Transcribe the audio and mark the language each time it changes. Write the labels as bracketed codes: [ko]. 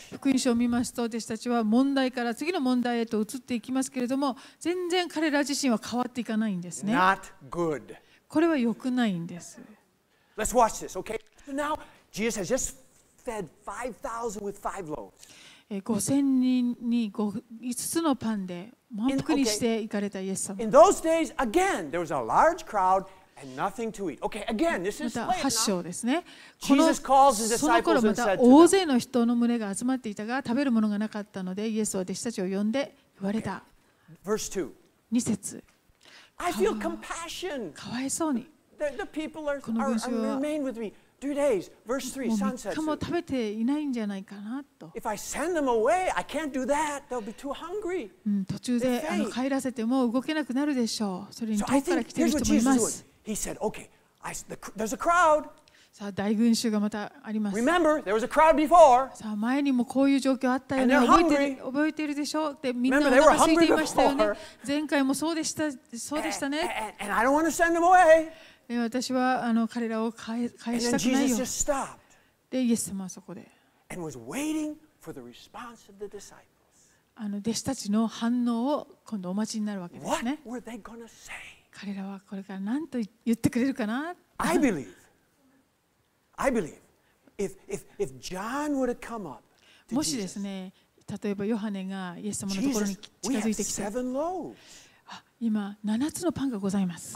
[ja] 福音書を見ますと、弟子たちは問題から次の問題へと移っていきますけれども、全然彼ら自身は変わっていかないんですね。 [en] Not good. [ja] これは良くないんです。 [en] Let's watch this, okay? So now, Jesus has just fed 5,000 with five loaves. [ja] 5,000 人に5つのパンで満腹にしていかれたイエス様。 [en] In those days, again, there was a large crowd. And nothing to eat. Okay, again, this is late. [ja] 8章ですね。 [en] Jesus calls his disciples and said to them, [ja] また大勢の人の群れが集まっていたが、食べるものがなかったので、イエスは弟子たちを呼んで言われた。 [en] Verse 2. [ja] 2節。 [en] I feel compassion. [ja] かわいそうに。 [en] the people are remain with me. 2 days, verse 3, sunset. [ja] もう3日も食べていないんじゃないかなと。 [en] If I send them away, I can't do that. They'll be too hungry. [ja] 途中で帰らせても動けなくなるでしょう。それに遠くから来てる人もいます。 [en] He said, okay, there's a crowd. [ja] さあ、大群衆がまたあります。 [en] Remember, there was a crowd before. [ja] さあ、前にもこういう状況あったよね。 [en] And they're hungry. [ja] 覚えてるでしょう。で、みんなお腹空いていましたよね。前回もそうでした、そうでしたね。 [en] And I don't want to send them away. [ja] 私は彼らを返したくないよ。で、イエス様はそこで。 [en] And was waiting for the response of the disciples. [ja] 弟子たちの反応を今度お待ちになるわけですね。 [en] What were they gonna say? [ja] 彼らはこれから何と言ってくれるかな。 [en] I believe. If John would have come up. [ja] もしですね、例えばヨハネがイエス様のところに近づいてきて、今7つのパンがございます。